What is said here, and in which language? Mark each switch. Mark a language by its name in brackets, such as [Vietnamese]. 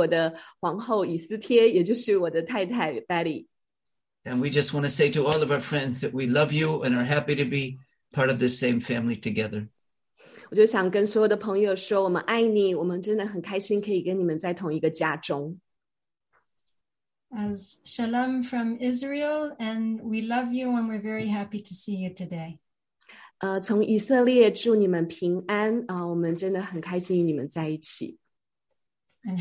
[Chinese] 在我旁边的是我的皇后以斯帖，也就是我的太太 Betty. [English] And we just want to say to all of our friends that we love you and are happy to be part of this same family together. [Chinese] 我就想跟所有的朋友说，我们爱你，我们真的很开心可以跟你们在同一个家中。 [English] As shalom from Israel, and we love you, and we're very happy to see you today. [Chinese] 从以色列祝你们平安，我们真的很开心与你们在一起。 [English] And